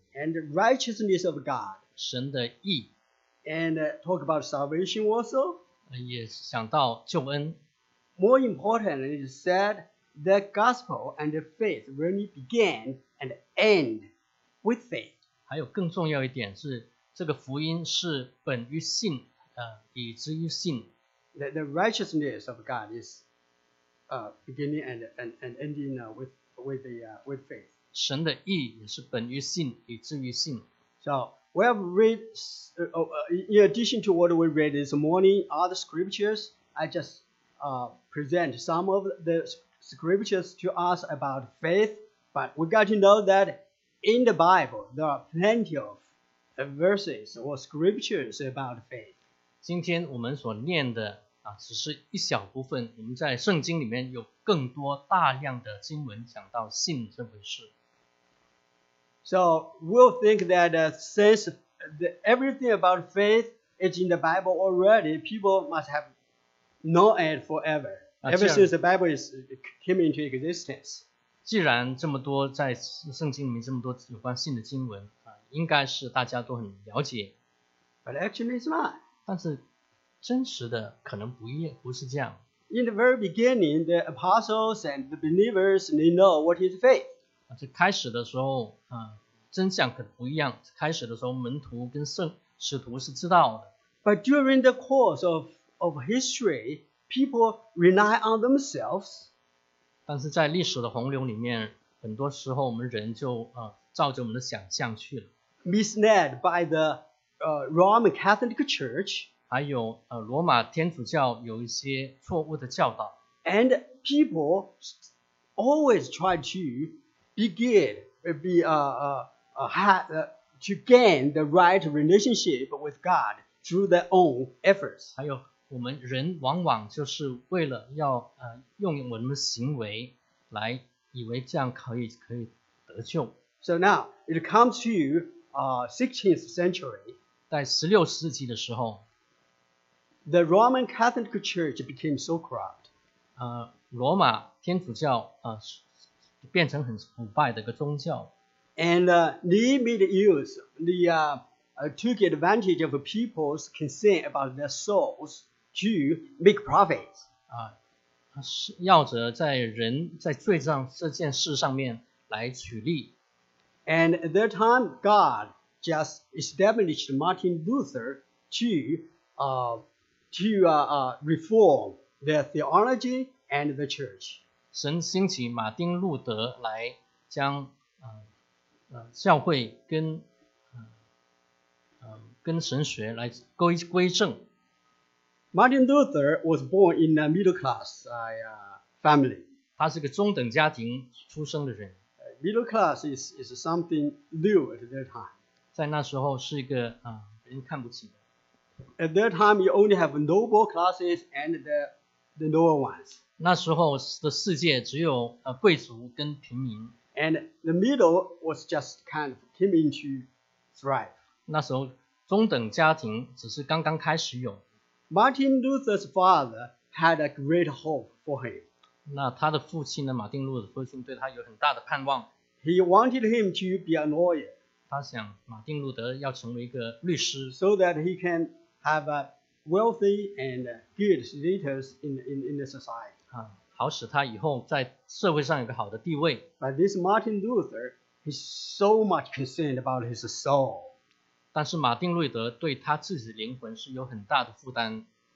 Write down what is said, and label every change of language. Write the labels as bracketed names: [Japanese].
[English] And the righteousness of God. [Chinese] 神的义。 [English] And talk about salvation also. [Chinese] 也想到救恩。 [English] More important, it is said that gospel and faith really began and end with faith. [Chinese] 还有更重要一点是这个福音是本于信，以至于信。 [English] The righteousness of God is beginning and ending with faith. [Chinese] 神的义也是本于信，以至于信。 [English] So we have read in addition to what we read this morning, other scriptures. I just present some of the scriptures to us about faith. But we got to know that in the Bible there are plenty of verses or scriptures about faith. [Chinese] 今天我们所念的只是一小部分，我们在圣经里面有更多大量的经文讲到信这回事。 [English] So we'll think that since everything about faith is in the Bible already, people must have known it forever. Ever since the Bible came into existence. [Chinese] 既然这么多在圣经里面这么多有关性的经文、应该是大家都很了解。 [English] But actually it's not. [Chinese] 但是真实的可能不是这样。 [English] In the very beginning, the apostles and the believers, they know what is faith. [Chinese] 这开始的时候、真相可不一样。开始的时候门徒跟使徒是知道的。 [English] But during the course of history, people rely on themselves. [Chinese] 但是在历史的洪流里面，很多时候我们人就、照着我们的想象去了。 [English] Misled by the Roman Catholic Church. [Chinese] 还有、罗马天主教有一些错误的教导。 [English] And people always try to to gain the right relationship with God through their own efforts. [Chinese] 还有我们人往往就是为了要、用我们的行为来以为这样可以得救。 [English] So now, it comes to 16th century. [Chinese] 在16世纪的时候 [English] the Roman Catholic Church became so corrupt. [Chinese] 罗马天主教、变成很腐败的一个宗教。 [English] And they made use, they took advantage of people's concern about their souls to make profits. [Chinese] 要者在人在罪上这件事上面来取利。 [English] And at that time, God just established Martin Luther to reform their theology and the church. [Chinese] 神兴起马丁路德来将教会跟、跟神学来归正。 [English] Martin Luther was born in a middle class family. [Chinese] 他是个中等家庭出生的人。 [English] Middle class is something new at that time. [Chinese] 在那时候是一个、人看不起的。 [English] At that time, you only have noble classes and the lower ones. [Chinese] 那时候的世界只有、贵族跟平民。 [English] And the middle was just kind of came into thrive. [Chinese] 那时候中等家庭只是刚刚开始有。 [English] Martin Luther's father had a great hope for him. [Chinese] 那他的父亲呢？马丁路德父亲对他有很大的盼望。 [English] He wanted him to be a lawyer. [Chinese] 他想马丁路德要成为一个律师。 [English] So that he can have a wealthy and good status in the society. [Chinese] 好使他以后在社会上有个好的地位。 [English] But this Martin Luther, he's so much concerned about his soul. [Chinese] 但是马丁路德对他自己的灵魂是有很大的负担。